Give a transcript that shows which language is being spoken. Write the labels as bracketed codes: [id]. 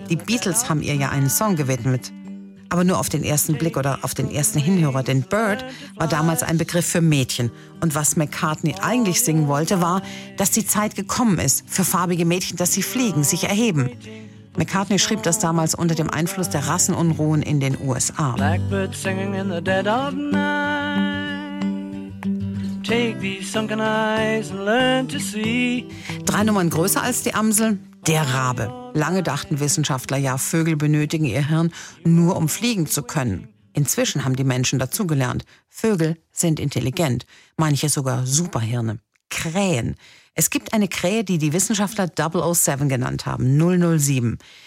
[de] Die Beatles haben ihr ja einen Song gewidmet. Aber nur auf den ersten Blick oder auf den ersten Hinhörer, denn Bird war damals ein Begriff für Mädchen. Und was McCartney eigentlich singen wollte, war, dass die Zeit gekommen ist für farbige Mädchen, dass sie fliegen, sich erheben. McCartney schrieb das damals unter dem Einfluss der Rassenunruhen in den USA. [en] Blackbird singing in the dead of night. Take these sunken eyes and learn to see. [de] Drei Nummern größer als die Amsel. Der Rabe. Lange dachten Wissenschaftler ja, Vögel benötigen ihr Hirn nur, um fliegen zu können. Inzwischen haben die Menschen dazugelernt. Vögel sind intelligent, manche sogar Superhirne. Krähen. Es gibt eine Krähe, die die Wissenschaftler 007 genannt haben, 007.